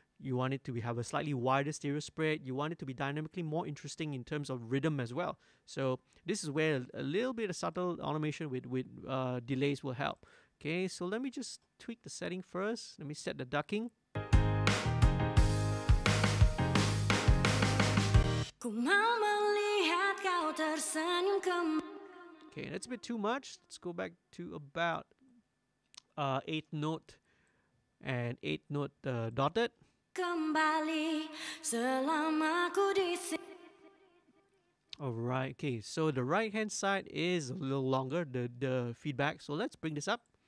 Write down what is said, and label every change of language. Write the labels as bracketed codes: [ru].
[en] You want it to have a slightly wider stereo spread. You want it to be dynamically more interesting in terms of rhythm as well. So this is where a little bit of subtle automation with delays will help. Okay, so let me just tweak the setting first. Let me set the ducking. [id] Ku mau melihat kau tersenyum [en] Okay, that's a bit too much. Let's go back to about 8th note and 8th note dotted. [id] Kembali selama ku di sini. [en] Alright, okay, so the right hand side is a little longer, the feedback. So let's bring this up.